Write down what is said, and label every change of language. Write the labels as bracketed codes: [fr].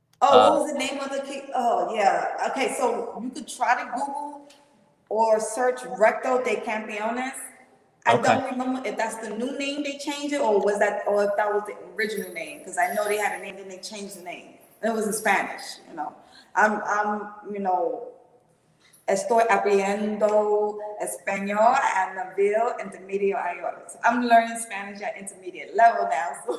[en] Oh, what was the name of the kid? Oh, yeah. Okay, so you could try to Google or search Recto de Campeones. I don't remember if that's the new name they changed it, or if that was the original name, because I know they had a name and they changed the name. It was in Spanish, you know. I'm you know, [es] estoy aprendiendo español a nivel intermedio. [en] I'm learning Spanish at intermediate level now.